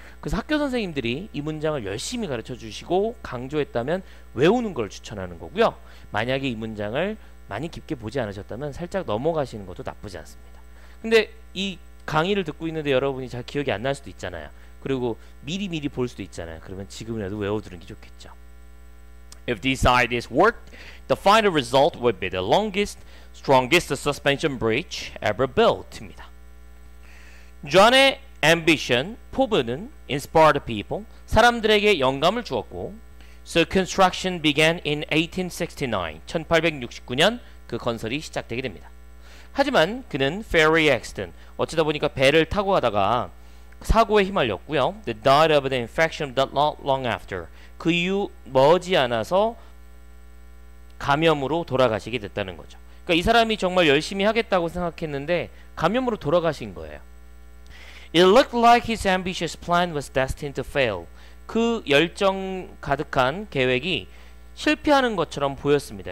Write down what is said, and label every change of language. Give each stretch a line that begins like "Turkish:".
Korean: 그래서 학교 선생님들이 이 문장을 열심히 가르쳐주시고 강조했다면 외우는 걸 추천하는 거고요. 만약에 이 문장을 많이 깊게 보지 않으셨다면 살짝 넘어가시는 것도 나쁘지 않습니다. 근데 이 강의를 듣고 있는데 여러분이 잘 기억이 안 날 수도 있잖아요. 그리고 미리 볼 수도 있잖아요. 그러면 지금이라도 외워두는 게 좋겠죠.
English: If this side is worked, the final result would be the longest, strongest suspension bridge ever built.
Korean: 입니다. John의 ambition, 포부는
English: inspired people,
Korean: 사람들에게 영감을 주었고,
English: so construction began in 1869,
Korean: 1869년 그 건설이 시작되게 됩니다. 하지만 그는
English: ferry accident,
Korean: 어쩌다 보니까 배를 타고 가다가 사고에 휘말렸고요.
English: The died of an infection not long after.
Korean: 그 이후 머지않아서 감염으로 돌아가시게 됐다는 거죠. 그러니까 이 사람이 정말 열심히 하겠다고 생각했는데 감염으로 돌아가신 거예요.
English: It looked like his ambitious plan was destined to fail.
Korean: 그 열정 가득한 계획이 실패하는 것처럼 보였습니다.